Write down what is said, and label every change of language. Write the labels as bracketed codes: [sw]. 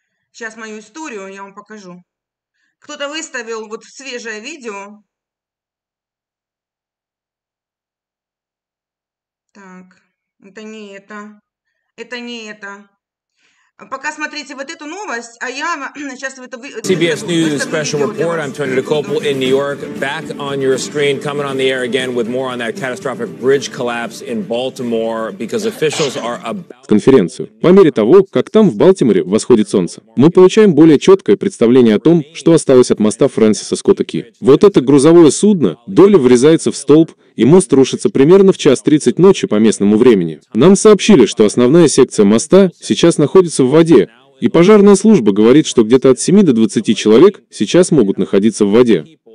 [ru] Сейчас мою историю я вам покажу. Кто-то выставил вот свежее видео. Так, это не это. Это не это. Пока смотрите вот эту новость, а я сейчас это вы... [en] CBS News Special Report. I'm Tony DeCoppel in New York. Back on your screen, coming on the air again with more on that catastrophic bridge collapse in Baltimore, because officials are about... [ru] Конференцию. По мере того, как там в Балтиморе восходит солнце, мы получаем более четкое представление о том, что осталось от моста Фрэнсиса Скотта Ки. Вот это грузовое судно, доля врезается в столб, и мост рушится примерно в 1:30 ночи по местному времени. Нам сообщили, что основная секция моста сейчас находится в воде, и пожарная служба говорит, что где-то от 7 до 20 человек сейчас могут находиться в воде.